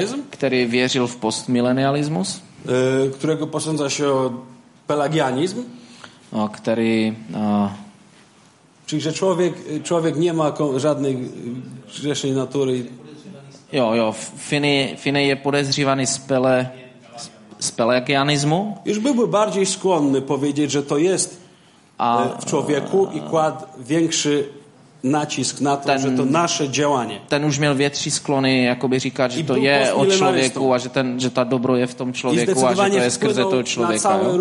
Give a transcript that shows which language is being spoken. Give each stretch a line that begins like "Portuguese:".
Czech: který věřil v postmilenialismus,
Polish: którego posądza się o pelagianizm, który czyli że człowiek nie ma żadnej grzesznej natury. Jo, Finney jest podejrzewany z pelagianizmu. Już byłby bardziej skłonny powiedzieć, że to jest w człowieku i kładł większy nacisk na to,
Czech: že to naše
Polish: działanie.
Czech: Ten už měl větší sklony, jakoby říkat, že to je o člověku a že ta dobro je v tom člověku a že to je skrze toho člověka.